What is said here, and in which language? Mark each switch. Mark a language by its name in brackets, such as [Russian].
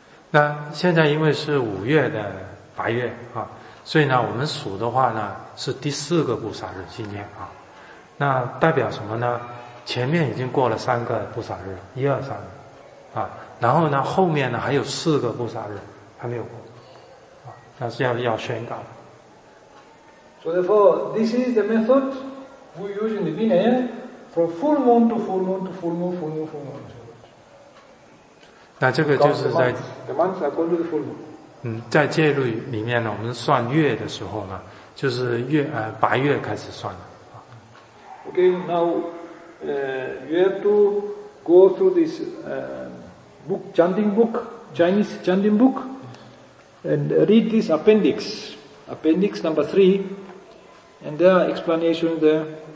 [Chinese] 那现在因为是五月的白月所以呢我们数的话呢是第四个菩萨日今天那代表什么呢前面已经过了三个菩萨日一二三然后呢后面呢还有四个菩萨日还没有过那是要宣告的。 [English] So therefore, this is the method we use in the Vinaya. From full moon to full moon to full moon, full moon, full moon. [Chinese] 那这个就是在 [English] the months are going to the full moon. [Chinese] 在戒律里面呢，我们算月的时候呢，就是月白月开始算了。 [English] Okay, now you have to go through this book, chanting book, Chinese chanting book, and read this appendix number 3, and there are explanations there.